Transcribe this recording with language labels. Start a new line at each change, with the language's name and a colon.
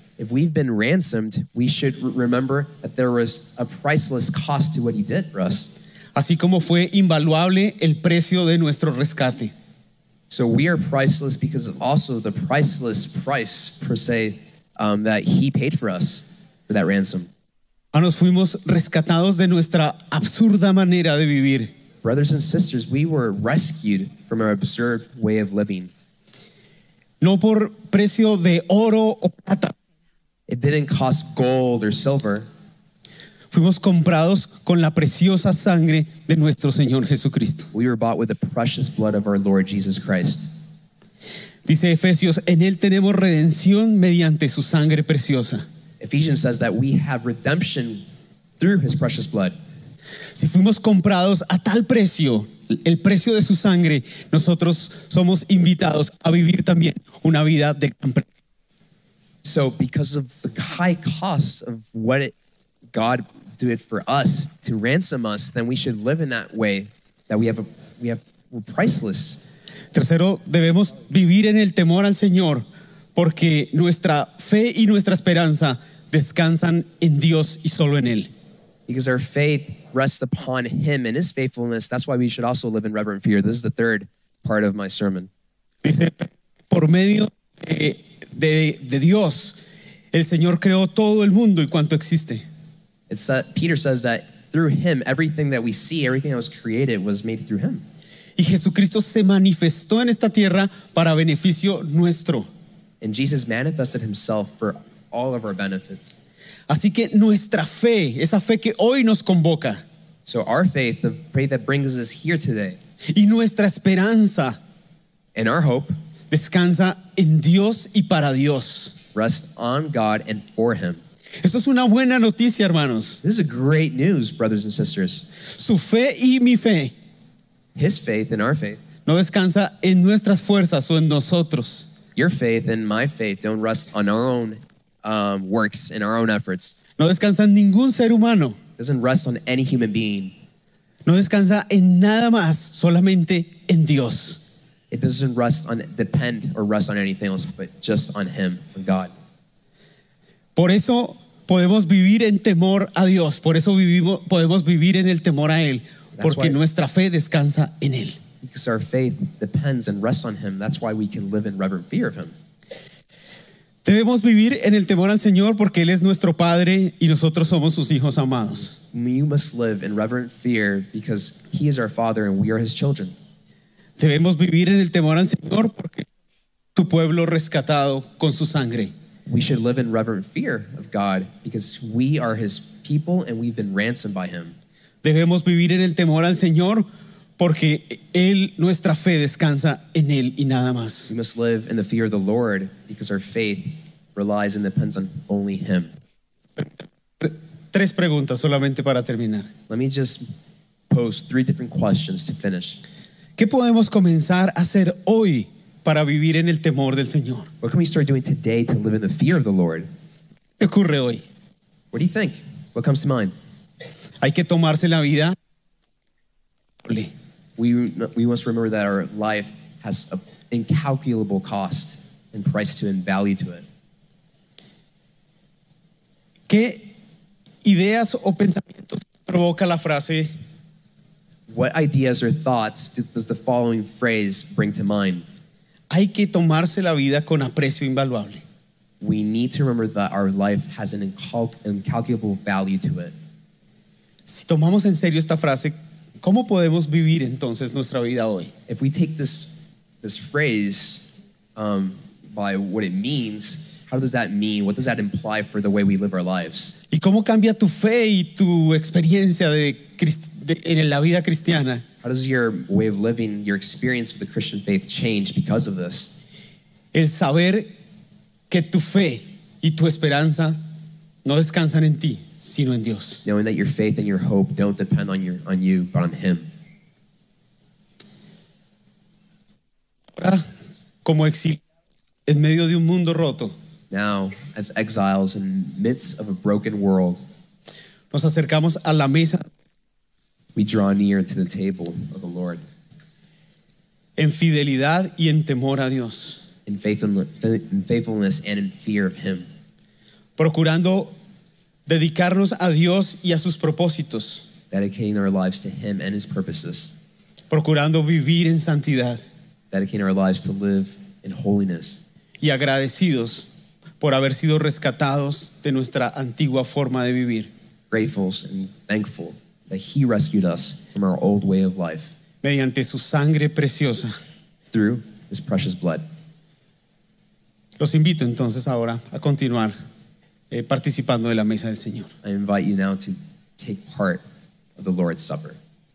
English: If we've been ransomed, we should remember that there was a priceless cost to what he did for us.
Spanish: Así como fue invaluable el precio de nuestro rescate.
English: So we are priceless because of also the priceless price, per se, that he paid for us, for that ransom.
Spanish: Nos fuimos rescatados de nuestra absurda manera de vivir.
English: Brothers and sisters, we were rescued from our absurd way of living.
Spanish: No por precio de oro o plata.
English: It didn't cost gold or silver.
Spanish: Fuimos comprados con la preciosa sangre de nuestro Señor Jesucristo.
English: We were bought with the precious blood of our Lord Jesus Christ.
Spanish: Dice Efesios, en él tenemos redención mediante su sangre preciosa.
English: Ephesians says that we have redemption through his precious blood.
Spanish: Si fuimos comprados a tal precio, el precio de su sangre, nosotros somos invitados a vivir también una vida de gran precio.
English: So because of the high cost of what God did for us to ransom us, then we should live in that way, that we're priceless.
Spanish: Tercero, debemos vivir en el temor al Señor, porque nuestra fe y nuestra esperanza descansan en Dios y solo en Él.
English: Because our faith rests upon Him and His faithfulness, that's why we should also live in reverent fear. This is the third part of my sermon.
Spanish: Dice, por medio de Dios, el Señor creó todo el mundo y cuanto existe.
English: It's that Peter says that through Him, everything that we see, everything that was created was made through Him.
Spanish: Y Jesucristo se manifestó en esta tierra para beneficio nuestro.
English: And Jesus manifested Himself for all of our benefits.
Spanish: Así que nuestra fe, esa fe que hoy nos convoca.
English: So our faith, the faith that brings us here today.
Spanish: Y nuestra esperanza.
English: And our hope.
Spanish: Descansa en Dios y para Dios.
English: Rest on God and for Him.
Spanish: Esto es una buena noticia, hermanos.
English: This is a great news, brothers and sisters.
Spanish: Su fe y mi fe.
English: His faith and our faith.
Spanish: No descansa en nuestras fuerzas o en nosotros.
English: Your faith and my faith don't rest on our own works and our own efforts.
Spanish: No descansa en ningún ser humano.
English: It doesn't rest on any human being.
Spanish: No descansa en nada más, solamente en Dios.
English: It doesn't rest on anything else, but just on Him, on God.
Spanish: Por eso podemos vivir en temor a Dios. Por eso podemos vivir en el temor a Él. Porque nuestra fe descansa en Él.
English: Because our faith depends and rests on Him. That's why we can live in reverent fear of Him.
Spanish: Debemos vivir en el temor al Señor porque Él es nuestro Padre y nosotros somos sus hijos amados.
English: We must live in reverent fear because He is our Father and we are His children.
Spanish: Debemos vivir en el temor al Señor porque tu pueblo rescatado con su sangre.
English: We should live in reverent fear of God because we are His people and we've been ransomed by Him.
Spanish: Debemos vivir en el temor al Señor porque Él, nuestra fe descansa en Él y nada más.
English: We must live in the fear of the Lord because our faith relies and depends on only Him.
Spanish: Tres preguntas solamente para terminar.
English: Let me just pose three different questions to finish.
Spanish: ¿Qué podemos comenzar a hacer hoy para vivir en el temor del Señor?
English: What can we start doing today to live in the fear of the Lord?
Spanish: ¿Qué ocurre hoy?
English: What do you think? What comes to mind?
Spanish: Hay que tomarse la vida.
English: We must remember that our life has an incalculable cost and price to and value to it.
Spanish: ¿Qué ideas o pensamientos provoca la frase?
English: What ideas or thoughts does the following phrase bring to mind?
Spanish: Hay que tomarse la vida con aprecio invaluable.
English: We need to remember that our life has an incalculable value to it.
Spanish: Si tomamos en serio esta frase, ¿cómo podemos vivir entonces nuestra vida hoy?
English: If we take this phrase by what it means, how does that mean? What does that imply for the way we live our lives?
Spanish: ¿Y cómo cambia tu fe y tu experiencia en la vida cristiana?
English: How does your way of living, your experience with the Christian faith change because of this?
Spanish: El saber que tu fe y tu esperanza no descansan en ti, sino en Dios.
English: Knowing that your faith and your hope don't depend on you, but on Him.
Spanish: Ahora, como exiliados en medio de un mundo roto.
English: Now, as exiles in the midst of a broken world.
Spanish: Nos acercamos a la mesa.
English: We draw near to the table of the Lord.
Spanish: En fidelidad y en temor a Dios.
English: In faithfulness and in fear of Him.
Spanish: Procurando dedicarnos a Dios y a sus propósitos.
English: Dedicating our lives to Him and His purposes.
Spanish: Procurando vivir en santidad.
English: Dedicating our lives to live in holiness.
Spanish: Y agradecidos por haber sido rescatados de nuestra antigua forma de vivir.
English: Grateful and thankful that He rescued us from our old way of life.
Spanish: Mediante su sangre preciosa.
English: Through His precious blood.
Spanish: Los invito entonces ahora a continuar participando de la mesa del Señor.
English: I invite you now to take part of the Lord's Supper.